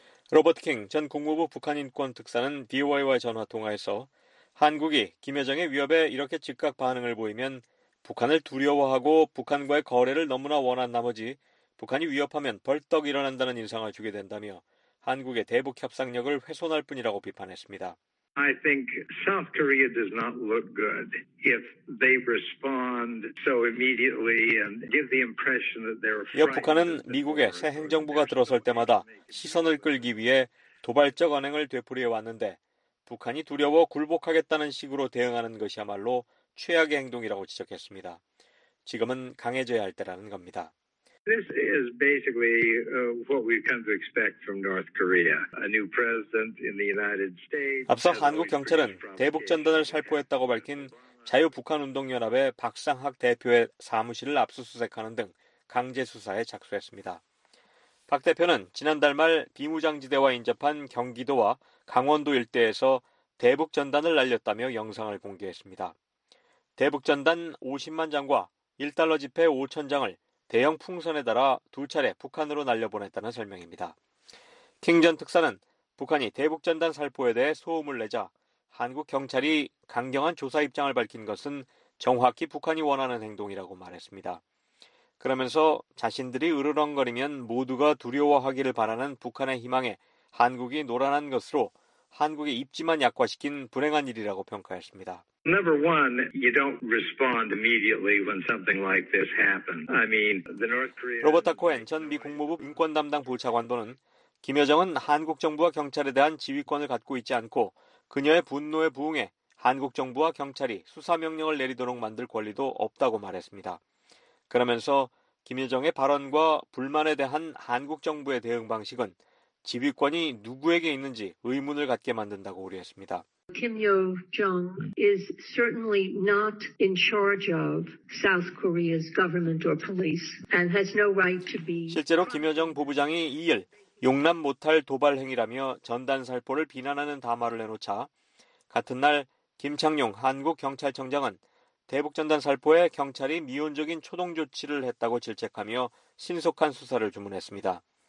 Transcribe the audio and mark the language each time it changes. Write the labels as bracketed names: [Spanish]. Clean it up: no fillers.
[Korean] 로버트 킹 전 국무부 북한인권특사는 VOA와의 전화통화에서 한국이 김여정의 위협에 이렇게 즉각 반응을 보이면 북한을 두려워하고 북한과의 거래를 너무나 원한 나머지 북한이 위협하면 벌떡 일어난다는 인상을 주게 된다며 한국의 대북 협상력을 훼손할 뿐이라고 비판했습니다. [English] I think South Korea does not look good if they respond so immediately and give the impression that they're afraid. [Korean] 북한은 미국의 새 행정부가 들어설 때마다 시선을 끌기 위해 도발적 언행을 되풀이해 왔는데 북한이 두려워 굴복하겠다는 식으로 대응하는 것이야말로 최악의 행동이라고 지적했습니다. 지금은 강해져야 할 때라는 겁니다. [English] This is basically what we've come to expect from North Korea. A new president in the United States. [Korean] 앞서 한국 경찰은 대북 전단을 살포했다고 밝힌 자유북한운동연합의 박상학 대표의 사무실을 압수수색하는 등 강제 수사에 착수했습니다. 박 대표는 지난달 말 비무장지대와 인접한 경기도와 강원도 일대에서 대북 전단을 날렸다며 영상을 공개했습니다. 대북 전단 50만 장과 1달러 지폐 5천 장을 대형 풍선에 달아 두 차례 북한으로 날려보냈다는 설명입니다. 킹 전 특사는 북한이 대북전단 살포에 대해 소음을 내자 한국 경찰이 강경한 조사 입장을 밝힌 것은 정확히 북한이 원하는 행동이라고 말했습니다. 그러면서 자신들이 으르렁거리면 모두가 두려워하기를 바라는 북한의 희망에 한국이 노란한 것으로 한국의 입지만 약화시킨 불행한 일이라고 평가했습니다. [English] Number one, you don't respond immediately when something like this happens. I mean, the North Korea. [Korean] 로버타 코엔 전 미 국무부 인권 담당 부차관보는 김여정은 한국 정부와 경찰에 대한 지휘권을 갖고 있지 않고 그녀의 분노에 부응해 한국 정부와 경찰이 수사 명령을 내리도록 만들 권리도 없다고 말했습니다. 그러면서 김여정의 발언과 불만에 대한 한국 정부의 대응 방식은 지휘권이 누구에게 있는지 의문을 갖게 만든다고 우려했습니다. [English] Kim Yo-jong is certainly not in charge of South Korea's government or police and has no right to be. [Korean] 실제로 김여정 부부장이 이일 용납 못할 도발 행위라며 전단 살포를 비난하는 담화를 내놓자 같은 날 김창룡 한국 경찰청장은 대북 전단 살포에 경찰이 미온적인 초동 조치를 했다고 질책하며 신속한 수사를 주문했습니다.